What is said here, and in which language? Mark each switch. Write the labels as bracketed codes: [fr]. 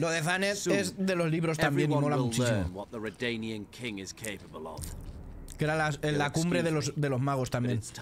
[es] Lo de Thanet es de los libros también, y mola muchísimo. [en] Everyone will learn what the Redanian king is capable of. [es] Que era la cumbre de los magos también.